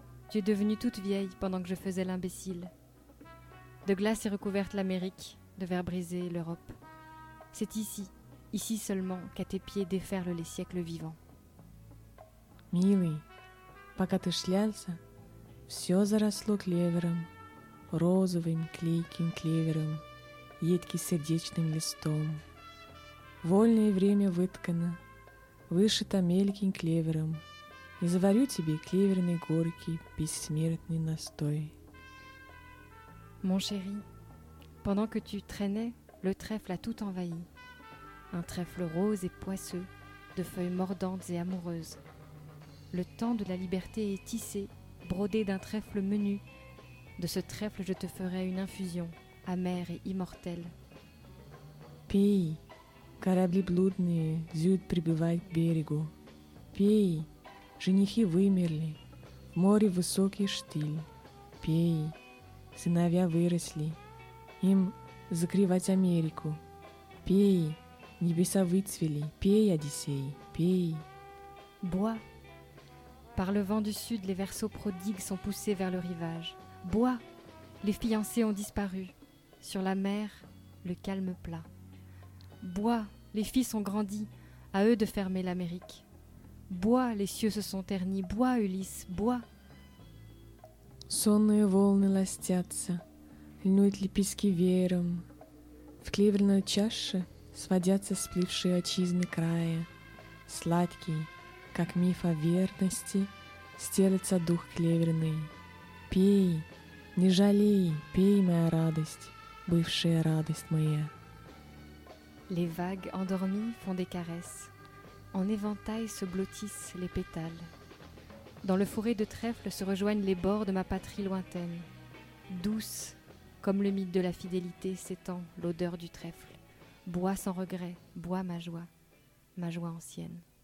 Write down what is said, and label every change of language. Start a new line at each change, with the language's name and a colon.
French: Tu es devenue toute vieille pendant que je faisais l'imbécile. De glace est recouverte l'Amérique, de verre brisé l'Europe. C'est ici, ici seulement, qu'à tes pieds déferlent les siècles vivants.
Russian: Милый, пока ты шлялся, все заросло клевером, розовым клейким клевером, едким сердечным листом. Вольное время выткано, вышито мелким клевером. И заварю тебе клеверные горки, бессмертный настой.
French: Mon chéri, pendant que tu traînais, le trèfle a tout envahi. Un trèfle rose et poisseux, de feuilles mordantes et amoureuses. Le temps de la liberté est tissé, brodé d'un trèfle menu. De ce trèfle, je te ferai une infusion, amère et immortelle.
Russian: Пей, корабли блудные, зюд прибывают к берегу. Пей. Женихи вымерли, в море высокий штиль. Пей, сыновья выросли, им закрывать Америку. Пей, небеса выцвели, пей, Одиссей, пей.
French: Bois. Par le vent du sud, les versos prodigues sont poussés vers le rivage. Bois. Les fiancés ont disparu. Sur la mer, le calme plat. Bois. Les fils ont grandi, à eux de fermer l'Amérique. Bois, les cieux se sont ternis. Bois, Ulysse, bois.
Russian: Сонные волны ластятся, льнуют лепестки веером. В клеверной чаше сводятся сплившие отчизны края. Сладкий, как миф о верности, стелется дух клеверный. Пей, не жалей, пей, моя радость, бывшая радость моя.
French: Les vagues endormies font des caresses. En éventail se blottissent les pétales. Dans le fourré de trèfle se rejoignent les bords de ma patrie lointaine. Douce, comme le mythe de la fidélité s'étend l'odeur du trèfle. Bois sans regret, bois ma joie ancienne.